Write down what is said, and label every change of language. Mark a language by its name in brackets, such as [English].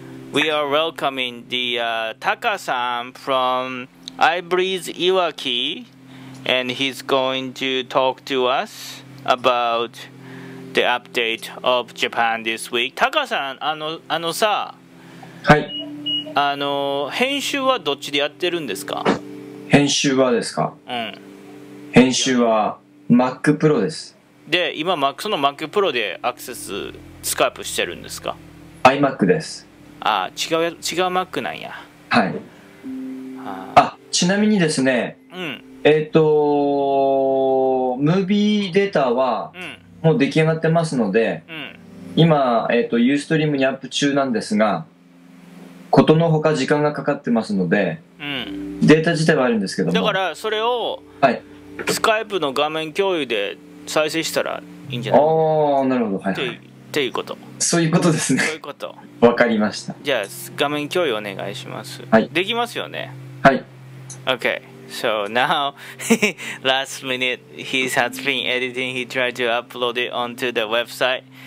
[English] We are welcoming the Taka-san from iBreeze Iwaki, and he's going to talk to us about the update of Japan this week. [Japanese] Taka-san, あのさ、はい。あの、編集はどっちでやってるんですか？編集はですか？うん。編集は Mac Pro です。で、今その Mac Pro でアクセス、スカイプしてるんですか？ iMac です。ああ、違う Mac なんや。はい。あ、ちなみにですね、うん、ムービーデータはもう出来上がってますので、うん、今、Ustream にアップ中なんですが、ことのほか時間がかかってますので、うん、データ自体はあるんですけども。だからそれを、はい、 Skype の画面共有で再生したらいいんじゃない？ああ、なるほど。はい、はい。ということ。そういうことですね。そういうこと。わかりました。じゃあ画面共有お願いします。はい。できますよね。はい。 [English] Okay. So now, last minute, he has been editing. He tried to upload it onto the website.